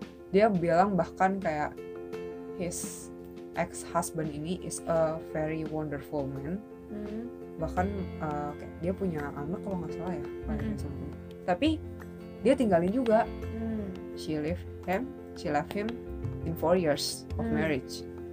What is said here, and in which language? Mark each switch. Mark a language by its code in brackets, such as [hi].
[id] dia bilang bahkan kayak [en] his ex-husband ini is a very wonderful man. Mm-hmm. [id] Bahkan kayak dia punya anak kalau nggak salah ya. Mm-hmm. Tapi dia tinggalin juga. [en] She left him in 4 years of marriage.